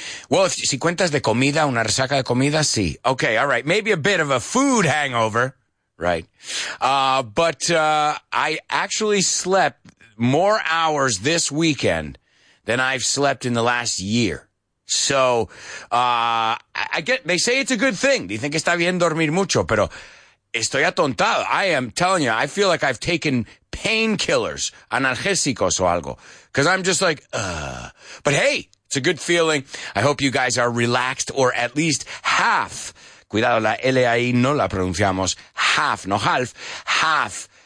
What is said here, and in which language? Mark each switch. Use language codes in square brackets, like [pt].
[es] Well, si cuentas de comida, una resaca de comida, sí. [en] Okay, all right. Maybe a bit of a food hangover. Right. But I actually slept more hours this weekend than I've slept in the last year. So they say it's a good thing. [es] Dicen que está bien dormir mucho, pero estoy atontado. [en] I am telling you, I feel like I've taken painkillers, [es] analgésicos o algo, [en] because I'm just like, But hey, it's a good feeling. I hope you guys are relaxed, or at least half. [es] Cuidado, la L ahí no la pronunciamos. [en] Half, no half. Half